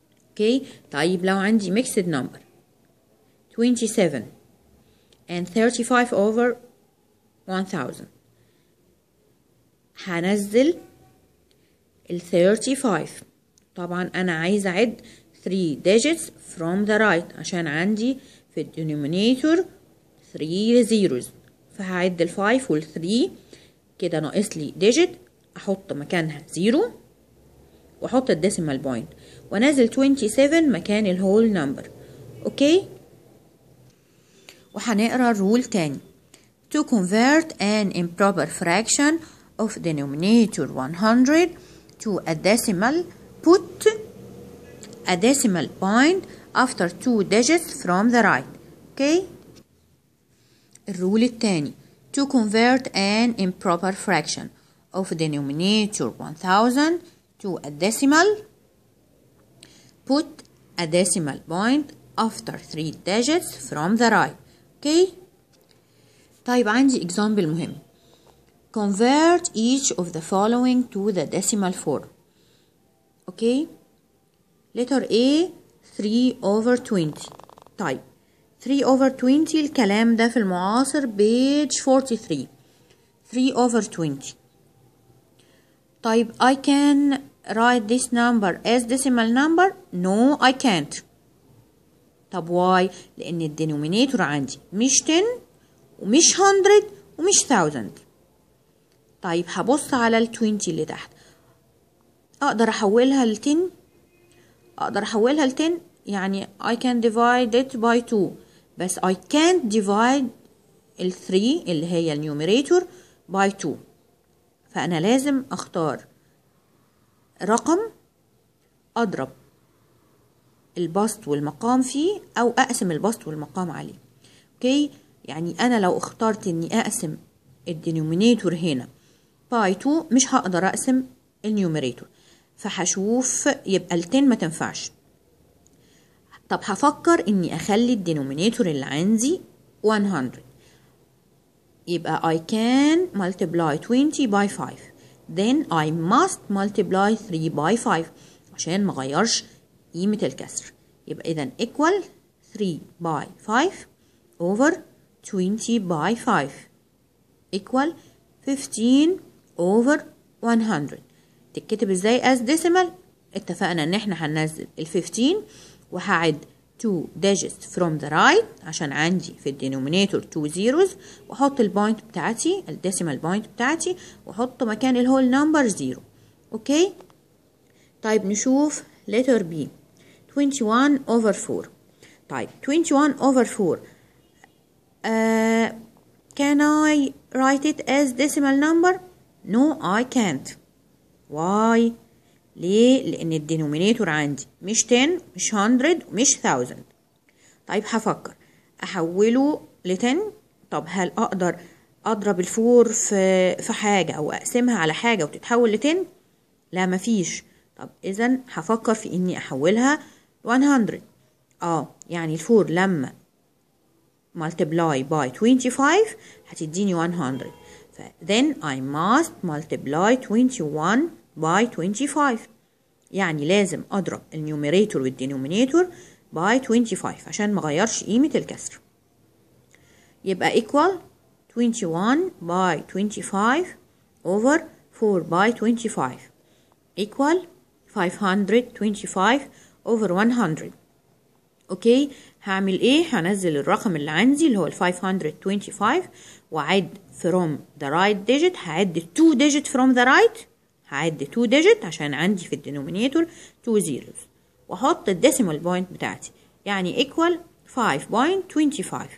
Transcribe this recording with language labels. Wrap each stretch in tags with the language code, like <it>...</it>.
<ar>اوكي، طيب لو عندي ميكسد نمبر 27 and 35/1000، هنزل ال 35، طبعا انا عايز اعد</ar> <en>3 digits from the right</en> <ar>عشان عندي في الدينومينيتور</ar> <en>3 zeros،</en> <ar>فهعد ال 5 وال 3 كده ناقص لي digit، احط مكانها 0 واحط الديسيمال بوينت، ونزل 27 مكان الهول نمبر. اوكي، وهنقرا الرول تاني.</ar> <en>To convert an improper fraction of denominator 100 to a decimal, put a decimal point after 2 digits from the right. Okay.</en> <ar>الرول التاني،</ar> <en>to convert an improper fraction of denominator 1000 to a decimal, put a decimal point after 3 digits from the right. Okay.</en> <ar>طيب عندي example مهم.</ar> <en>Convert each of the following to the decimal form. Okay. Letter A 3/20.</en> <ar>طيب 3/20 الكلام ده في المعاصر page 43. 3/20.</ar> <en>طيب I can write this number as decimal number? No, I can't.</en> <ar>طب</ar> <en>why؟</en> <ar>لأن الدينومينيتور عندي مش 10 ومش 100 ومش 1000. طيب هبص على ال 20 اللي تحت. أقدر أحولها ل 10؟ أقدر أحولها ل 10؟ يعني</ar> <en>I can divide it by 2.</en> <ar>بس</ar> <en>I can't divide</en> <ar>ال 3 اللي هي النيوميريتور</ar> <en>by 2.</en> <ar>فأنا لازم أختار رقم أضرب البسط والمقام فيه أو أقسم البسط والمقام عليه. أوكي؟ يعني أنا لو اخترت أني أقسم الدينومينيتور هنا باي 2 مش هقدر أقسم النيوميريتور، فهشوف يبقى التين ما تنفعش. طب هفكر أني أخلي الدينومينيتور اللي عندي 100، يبقى</ar> <en>I can multiply 20 by 5. Then I must multiply 3 by 5</en> <ar>عشان ما غيرش قيمة الكسر. يبقى إذن</ar> <en>equal 3 by 5 over 20 by 5 equal 15 over 100.</en> <ar>تكتب إزاي</ar> <en>as decimal؟</en> <ar>اتفقنا إن إحنا هننزل ال 15 وهعد</ar> <en>2 digits from the right</en> <ar>عشان عندي في الدينومينيتور</ar> <en>2 zeros،</en> <ar>وحط البوينت بتاعتي الديسيمال بوينت بتاعتي وحط مكان الهول نمبر 0. اوكي. طيب نشوف letter B 21/4. طيب</ar> <en>21/4 can I write it as decimal number? No I can't. Why؟</en> <ar>ليه؟ لأن الدينومينيتور عندي مش 10 مش 100 مش 1000. طيب هفكر أحوله ل 10. طب هل أقدر أضرب الفور في حاجة أو أقسمها على حاجة وتتحول ل 10؟ لا مفيش. طب إذن هفكر في أني أحولها 100. يعني الفور لما</ar> <en>multiply by 25</en> <ar>هتديني 100.</ar> <en>Then I must multiply 21 by 25.</en> <ar>يعني لازم أضرب النيوميريتور والدينومينيتور</ar> <en>by 25</en> <ar>عشان ما غيرش قيمة الكسر. يبقى</ar> <en>equal 21 by 25 over 4 by 25 equal 525 over 100.</en> <ar>أوكي. هعمل إيه؟ هنزل الرقم اللي عندي اللي هو 525 وعد</ar> <en>from the right digit،</en> <ar>هعد</ar> <en>2 digit from the right،</en> <ar>هعد 2 ديجيت عشان عندي في الدينومينيتور 2 زيروز، واحط الديسيمال بوينت بتاعتي يعني ايكوال 5.25.</ar>